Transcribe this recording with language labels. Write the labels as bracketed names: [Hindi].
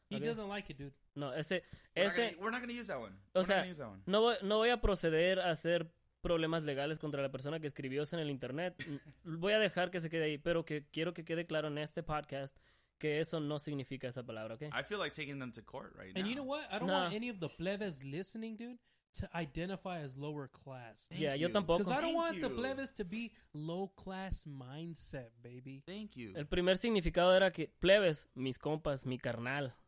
[English] He okay? doesn't like it, dude. [Spanish] No, ese... [English] we're not going to use that one. [Spanish] O sea, no voy a proceder a hacer problemas legales contra la persona que escribió eso en el internet. Voy a dejar que se quede ahí, pero que quiero que quede claro en este podcast que eso no significa esa palabra, ¿okay? [English] I feel like taking them to court right now. And you know what? I don't want any of the plebes listening, dude, to identify as lower class. Thank yeah, [Spanish] yo tampoco. [English] Because I don't want the plebes to be low class mindset, baby. Thank you. [Spanish] El primer significado era que plebes, mis compas, mi carnal.